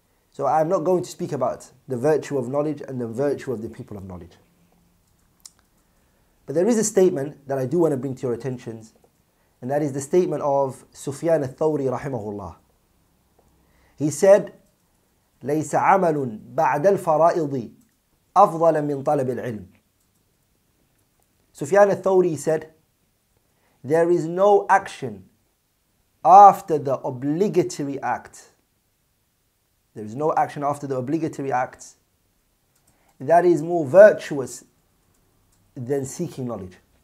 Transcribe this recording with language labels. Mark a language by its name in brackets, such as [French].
[English] So I'm not going to speak about the virtue of knowledge and the virtue of the people of knowledge. But there is a statement that I do want to bring to your attention, and that is the statement of Sufyan al-Thawri rahimahullah. He said, [Arabic] ليس عمل بعد الفرائض أفضل من طلب العلم. [English] Sufyan al-Thawri said, there is no action after the obligatory act. There is no action after the obligatory acts that is more virtuous than seeking knowledge.